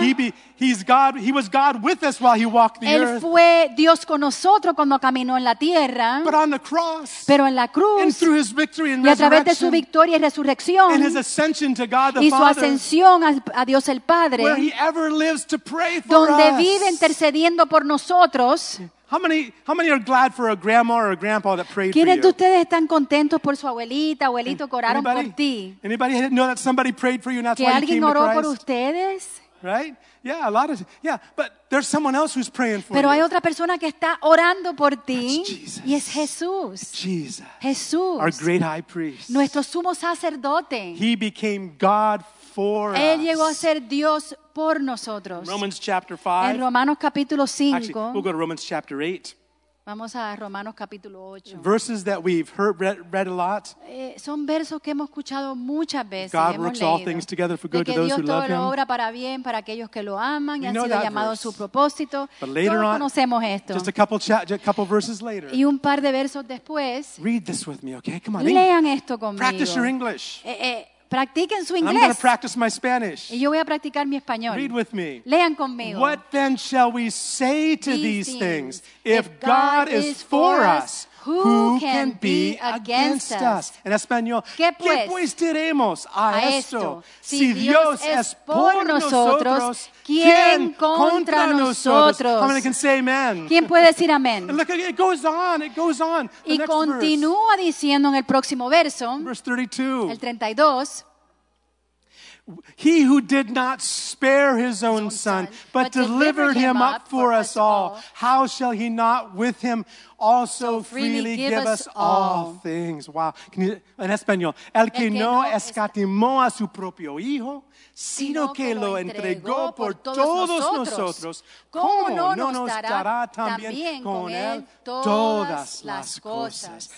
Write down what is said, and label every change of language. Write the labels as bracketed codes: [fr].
[en] He was God with us while he walked the [es] Él [en] earth. [es] Él fue Dios con nosotros cuando caminó en la tierra. [en] But on the cross. [es] Pero en la cruz [en] and through his victory and [es] y a través de su victoria y resurrección [en] and his ascension to God the [es] y su ascensión a Dios el Padre [en] where he ever lives to pray for [es] donde [en] us. [es] Vive intercediendo por nosotros. [en] How many are glad for a grandma or a grandpa that prayed for you? [es] ¿Quiénes de ustedes están contentos por su abuelita, abuelito que oraron por ti? [en] Anybody know that somebody prayed for you and that's why you came to [es] Christ? ¿Que alguien oró por ustedes? [en] Right? Yeah, a lot of yeah, but there's someone else who's praying for you. [es] Pero hay otra persona que está orando por ti. Y es Jesús. [en] Jesus. [es] Jesús. [en] Our great high priest. [es] Nuestro sumo sacerdote. [en] He became God for us. [es] Él llegó a ser Dios por nosotros. [en] Romans chapter 5. [es] En Romanos capítulo 5. [en] Actually, we'll go to Romans chapter 8. [es] Vamos a Romanos capítulo 8. [en] Verses that we've read a lot. [es] Son versos que hemos escuchado muchas veces. [en] God works all things together for good to those who love him. [es] Que Dios todo lo obra para bien para aquellos que lo aman y han sido llamados a su propósito. [en] But later on, [es] conocemos esto. [en] Just a couple verses later. [es] Y un par de versos después. [en] Read this with me, okay? Come on. [es] Lean esto conmigo. [en] Practice your English. [es] Practiquen su [en] inglés. I'm going to practice my Spanish. [es] Y yo voy a practicar mi español. [en] Read with me. [es] Lean conmigo. [en] What then shall we say to these things? If God is for us, who can be against us? [es] En español. ¿Qué pues diremos a esto? Si Dios es por nosotros, ¿quién contra nosotros? [en] How many can say amen? [es] ¿Quién puede decir amén? [en] Look, it goes on, it goes on. [es] Y continúa diciendo en el próximo verso. [en] Verse 32. [es] El 32. [en] He who did not spare his own son, but delivered him up for us all, how shall he not with him also freely give us all things? [es] Wow. En español. El que no escatimó a su propio hijo, sino que lo entregó por todos nosotros, ¿cómo no nos dará también con él todas las cosas?